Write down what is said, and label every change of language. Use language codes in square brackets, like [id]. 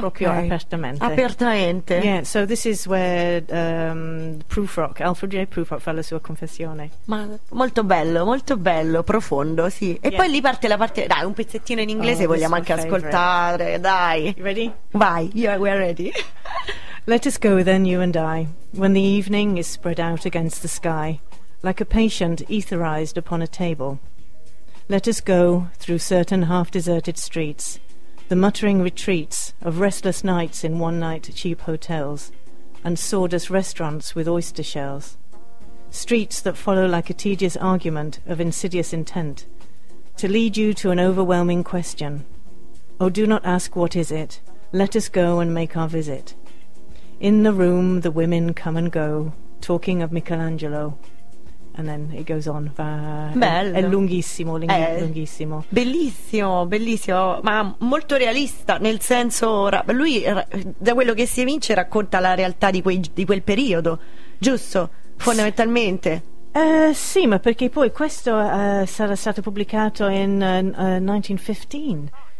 [it] Proprio apertamente. Apertamente. [en] Yeah, so this is where Prufrock, Alfred J. [it] Prufrock fa la sua confessione. Ma molto bello, profondo, sì. E poi lì parte la parte, dai, un pezzettino in inglese, vogliamo anche ascoltare, dai. [en] You ready? Vai, yeah, we're ready. Let us go then, you and I, when the evening is spread out against the sky, like a patient etherized upon a table. Let us go through certain half-deserted streets, the muttering retreats of restless nights in one-night cheap hotels and sawdust restaurants with oyster shells, streets that follow like a tedious argument of insidious intent to lead you to an overwhelming question. Oh, do not ask what is it, let us go and make our visit. In the room the women come and go, talking of Michelangelo. And then it goes on. Va, [it] bello. È lunghissimo, lunghissimo. Bellissimo, bellissimo, ma molto realista, nel senso, lui da quello che si evince racconta la realtà di quel periodo, giusto? Fondamentalmente. Sì, ma perché poi questo sarà stato pubblicato in 1915.